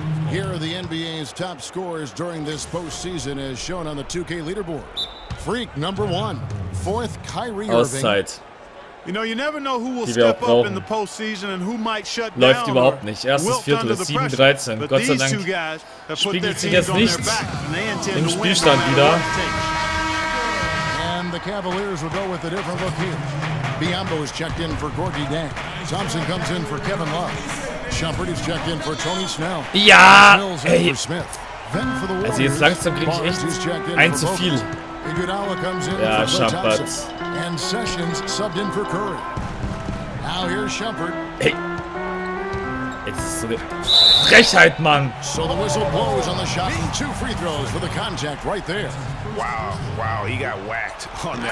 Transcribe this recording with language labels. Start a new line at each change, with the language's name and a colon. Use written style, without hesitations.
English: Here are the NBA's top scorers during this postseason as shown on the 2K leaderboard. Freak number one, fourth Kyrie Irving. You know, you never know who will step up in the postseason and who might shut down.
German: Läuft überhaupt nicht. Erstes Viertel ist 7-13. Gott sei Dank spiegelt sich jetzt nicht im Spielstand wieder.
English: And the Cavaliers will go with a different look here. Biombo is checked in for Gorgui Dieng. Thompson comes in for Kevin Love. Shumpert is checked in for Tony Snell.
German: Ja, ey. Also jetzt langsam krieg ich echt ein zu viel. Ja, Shumpert.
English: And Sessions subbed in for Curry. Now here's Shumpert. Hey.
German: Es ist so eine Frechheit, Mann.
English: So the whistle blows on the shot. Two free throws for the contact right there. Wow, wow, he got whacked on that.